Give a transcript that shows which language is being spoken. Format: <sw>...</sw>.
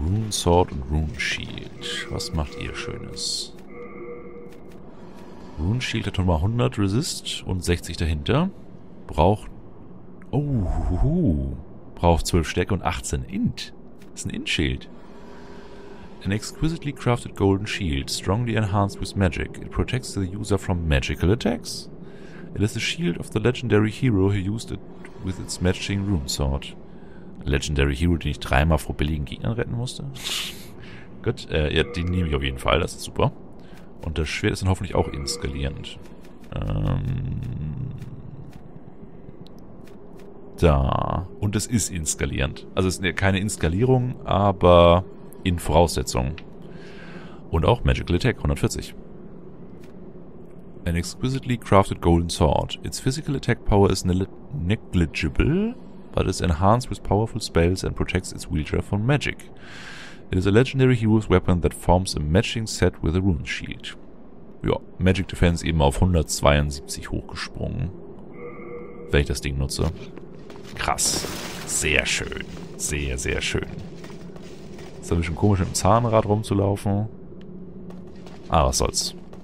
<de>Sword und Rune Shield. Was macht ihr Schönes? Rune Shield hat nochmal 100 Resist und 60 dahinter. Braucht. Oh, braucht 12 Stärke und 18 Int. Das ist ein Int-Shield.</de> <en>An exquisitely crafted golden shield, strongly enhanced with magic. It protects the user from magical attacks. It is the shield of the legendary hero who used it with its matching Rune Sword.</en> <de>Legendary Hero, den ich dreimal vor billigen Gegnern retten musste. Gut, ja, den nehme ich auf jeden Fall, das ist super. Und das Schwert ist dann hoffentlich auch inskalierend. Da. Und es ist inskalierend. Also es ist keine Inskalierung, aber in Voraussetzung. Und auch Magical Attack 140.</de> <en>An exquisitely crafted golden sword. Its physical attack power is negligible. But it's enhanced with powerful spells and protects its wielder from magic. It is a legendary hero's weapon that forms a matching set with a rune shield.</en> <de>Ja, Magic Defense eben auf 172 hochgesprungen. Wenn ich das Ding nutze. Krass. Sehr schön. Sehr, sehr schön. Ist ein bisschen komisch, im Zahnrad rumzulaufen. Ah, was soll's.</de>